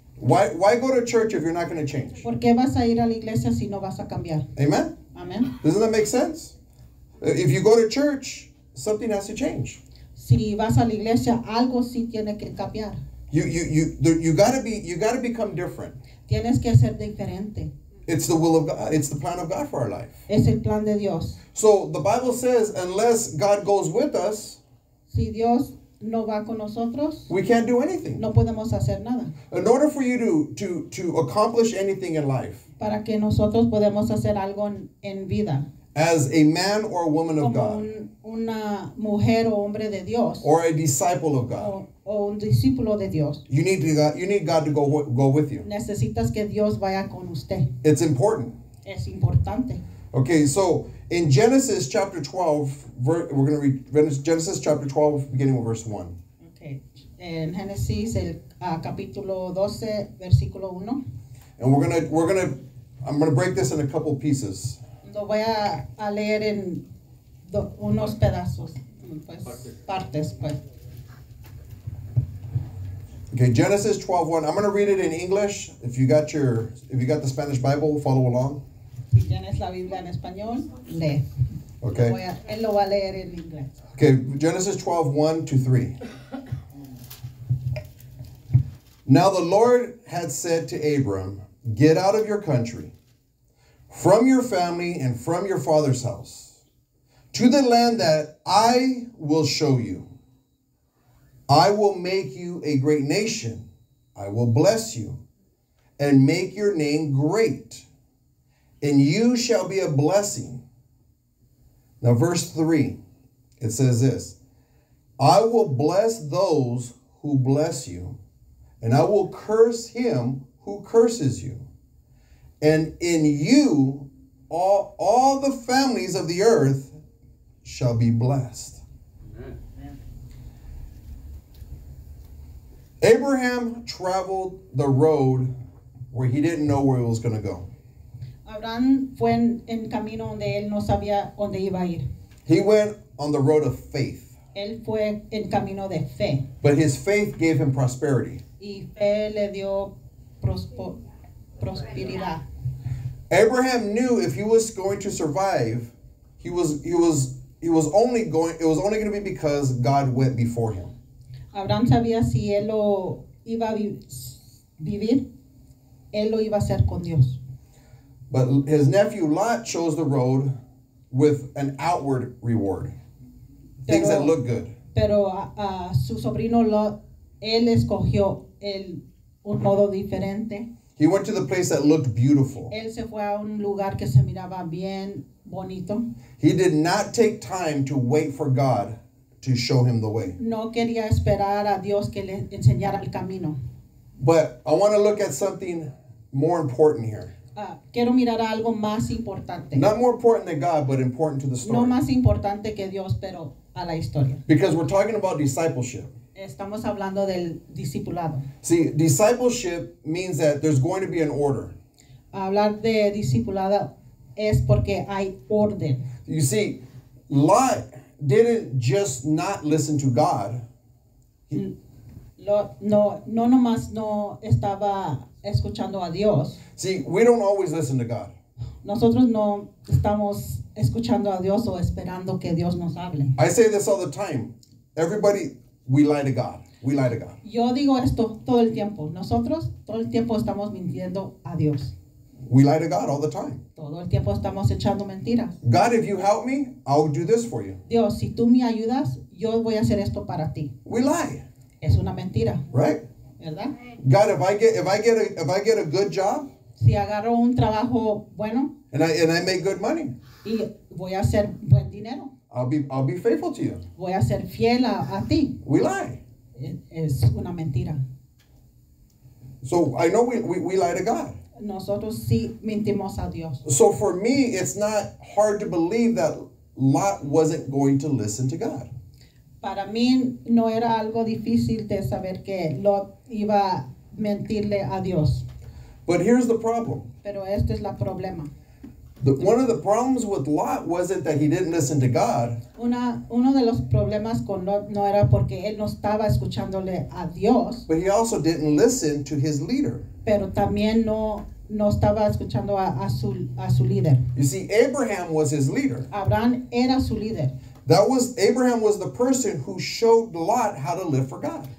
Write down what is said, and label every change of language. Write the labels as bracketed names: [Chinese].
[English] Why go to church if you're not going to change? [Spanish] ¿Por qué vas a ir a la iglesia si no vas a cambiar? [English] Amen. Amen. Doesn't that make sense? If you go to church, something has to change. [Spanish] Si vas a la iglesia, algo sí tiene que cambiar. [English] You gotta become different. [Spanish] Tienes que ser diferente. [English] It's the will of God. It's the plan of God for our life. [Spanish] Es el plan de Dios. [English] So the Bible says, unless God goes with us, [Spanish] si Dios no va con nosotros, [English] we can't do anything. [Spanish] No podemos hacer nada. [English] In order for you to accomplish anything in life, [Spanish] para que nosotros podemos hacer algo en vida. [English] As a man or a woman of God, [Spanish] una mujer o hombre de Dios, [English] or a disciple of God, [Spanish] o un discípulo de Dios, [English] you need God to go with you. [Spanish] Necesitas que Dios vaya con usted. [English] It's important. [Spanish] Es importante. [English] Okay, so in Genesis chapter 12, we're going to read Genesis chapter 12, beginning with verse 1. [Spanish] Okay, en Genesis capítulo 12, versículo 1. [English] And I'm going to break this in a couple pieces. [Spanish] Lo voy a leer en unos pedazos, pues, partes, pues. [English] Okay, Genesis 12:1. I'm going to read it in English. If you got your, the Spanish Bible, follow along. [Spanish] Si tienes la Biblia en español, lee. [English] Okay. [Spanish] Él lo va a leer en inglés. [English] Okay, Genesis 12:1-3. Now the Lord had said to Abram, "Get out of your country, from your family and from your father's house, to the land that I will show you. I will make you a great nation. I will bless you and make your name great, and you shall be a blessing." Now, verse 3, it says this: "I will bless those who bless you, and I will curse him who curses you. And in you, all the families of the earth shall be blessed." Abraham traveled the road where he didn't know where he was going to go. [Spanish] Abraham fue en camino donde él no sabía dónde iba a ir. [English] He went on the road of faith. [Spanish] Él fue en camino de fe. [English] But his faith gave him prosperity. [Spanish] Y fe le dio prosperidad. [English] Abraham knew if he was going to survive, it was only going to be because God went before him. [Spanish] Abraham sabía si él lo iba a vivir, él lo iba a hacer con Dios. [English] But his nephew Lot chose the road with an outward reward. Pero, things that look good. [Spanish] Pero su sobrino Lot, él escogió un modo diferente. [English] He went to the place that looked beautiful. [Spanish] Él se fue a un lugar que se miraba bien bonito. [English] He did not take time to wait for God to show him the way. [Spanish] No quería esperar a Dios que le enseñara el camino. [English] But I want to look at something more important here. [Spanish] Quiero mirar algo más importante. [English] Not more important than God, but important to the story. [Spanish] No más importante que Dios, pero a la historia. [English] Because we're talking about discipleship. [Spanish] Estamos hablando del discipulado. [English] See, discipleship means that there's going to be an order. [Spanish] Hablar de discipulado es porque hay orden. [English] You see, Lot didn't just not listen to God. [Spanish] No nomás no estaba escuchando a Dios. [English] See, we don't always listen to God. [Spanish] Nosotros no estamos escuchando a Dios o esperando que Dios nos hable. [English] I say this all the time. Everybody... We lie to God. We lie to God. [Spanish] Yo digo esto todo el tiempo. Nosotros todo el tiempo estamos mintiendo a Dios. [English] We lie to God all the time. [Spanish] Todo el tiempo estamos echando mentiras. [English] God, if you help me, I'll do this for you. [Spanish] Dios, si tú me ayudas, yo voy a hacer esto para ti. [English] We lie. [Spanish] Es una mentira. [English] Right? [Spanish] ¿Verdad? [English] God, if I get a good job, [Spanish] si agarro un trabajo bueno, [English] and I make good money, [Spanish] y voy a hacer buen dinero, [English] I'll be faithful to you. [Spanish] Voy a ser fiel a ti. [English] We lie. [Spanish] Es una mentira. [English] So I know we lie to God. [Spanish] Nosotros sí mentimos a Dios. [English] So for me, it's not hard to believe that Lot wasn't going to listen to God. [Spanish] Para mí no era algo difícil de saber que Lot iba a mentirle a Dios. [English] But here's the problem. [Spanish] Pero este es el problema. [English] One of the problems with Lot wasn't that he didn't listen to God. [Spanish] Uno de los problemas con Lot no era porque él no estaba escuchándole a Dios. [English] But he also didn't listen to his leader. [Spanish] Pero también no estaba escuchando a su líder. [English] You see, Abraham was his leader. [Spanish] Abraham era su líder. [English] Abraham was the person who showed Lot how to live for God.